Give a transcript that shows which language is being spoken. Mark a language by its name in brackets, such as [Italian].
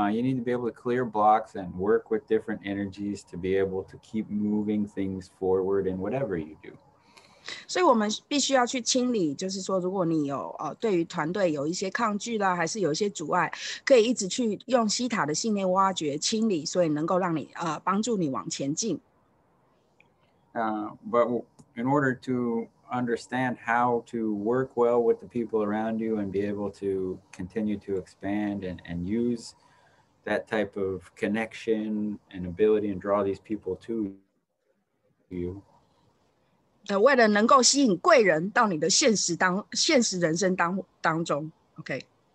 [English] You need to be able to clear blocks and work with different energies to be able to keep moving things forward in whatever you do. [Chinese] 所以我们必须要去清理，就是说如果你有对于团队有一些抗拒啦，还是有一些阻碍，可以一直去用西塔的信念挖掘清理，所以能够让你帮助你往前进。 [English] But in order to understand how to work well with the people around you and be able to continue to expand and use that type of connection and ability and draw these people to you, [Chinese] 为了能够吸引贵人到你的现实当现实人生当中 ，OK。